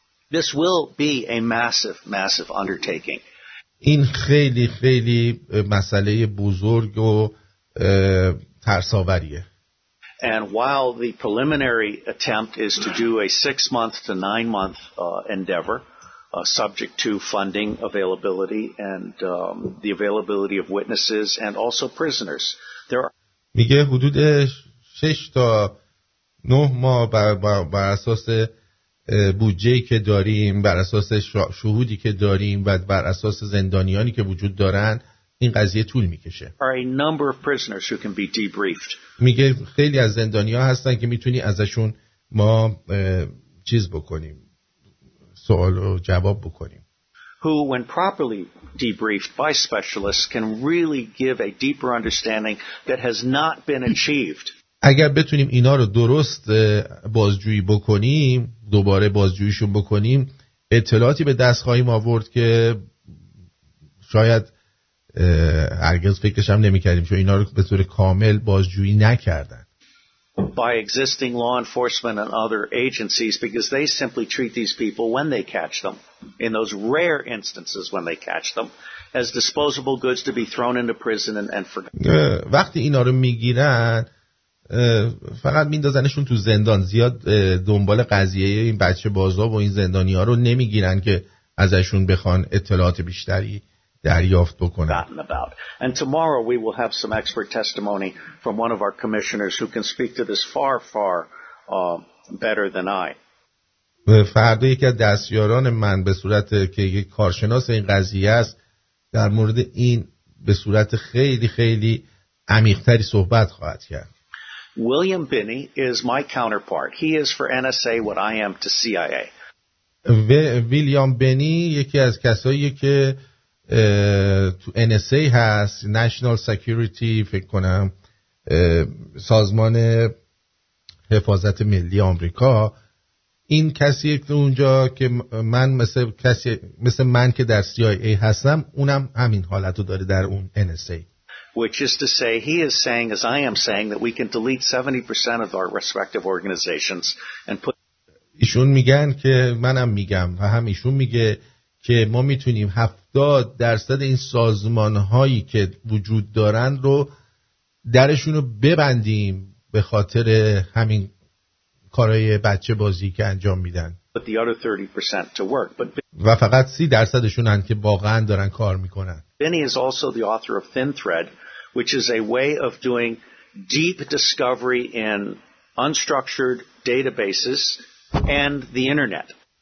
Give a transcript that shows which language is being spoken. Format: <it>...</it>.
<en>This will be a massive undertaking.</en> <fa>این خیلی خیلی مسئله بزرگ و ترس‌آوریه.</fa> <en>And while the preliminary attempt is to do a 6-month to 9-month endeavor, subject to funding availability and the availability of witnesses and also prisoners, there are.</en> <fa>میگه حدود 6 تا 9 ماه بر اساس بودجه که داریم، بر اساس شهودی که داریم و بر اساس زندانیانی که وجود دارن، این قضیه طول میکشه.</fa> <en>Are a number of prisoners who can be debriefed.</en> <fa>میگه خیلی از زندانیا هستن که میتونی ازشون ما چیز بکنیم، سوال و جواب بکنیم.</fa> <en>Who when properly debriefed by specialists can really give a deeper understanding that has not been achieved.</en> <fa>اگر بتونیم اینا رو درست بازجویی بکنیم، دوباره بازجوییشون بکنیم، اطلاعاتی به دست خواهیم آورد که شاید هرگز فکرش هم نمی‌کردیم، چون اینا رو به طور کامل بازجویی نکردن.</fa> <en>By existing law enforcement and other agencies because they simply treat these people when they catch them in those rare instances when they catch them as disposable goods to be thrown into prison and forgotten.</en> <fa>وقتی اینا رو می‌گیرن فقط میندازنشون تو زندان، زیاد دنبال قضیه این بچه بازداب و این زندانی ها رو نمیگیرن که ازشون بخوان اطلاعات بیشتری دریافت بکنن.</fa> <en>And tomorrow we will have some expert testimony from one of our commissioners who can speak to this far far better than I.</en> <fa>فردا یکی از دستیاران من به صورت که یک کارشناس این قضیه است در مورد این به صورت خیلی خیلی عمیق‌تری صحبت خواهد کرد.</fa> <en>William Binney is my counterpart. He is for NSA what I am to CIA.</en> <fa>William Binney یکی از کسایی که تو NSA هست، National Security فکر کنم، سازمان حفاظت ملی آمریکا. این کسی که اونجا که من مثل من که در CIA هستم، اونم همین حالتو داره در اون NSA.</fa> <en>Which is to say, he is saying, as I am saying, that we can delete 70% of our respective organizations and put.</en> <fa>ایشون میگن که منم میگم و هم ایشون میگه که ما میتونیم 70% این سازمانهایی که وجود دارن رو درشونو ببندیم به خاطر همین کارهای بچه بازی که انجام میدن.</fa> <en>But the other 30% to work. But.</en> <fa>و فقط 30%شون هن که واقعا دارن کار میکنن.</fa> <en>Benny is also the author of Thin Thread, which is a way of doing deep discovery in unstructured databases and the internet.</en>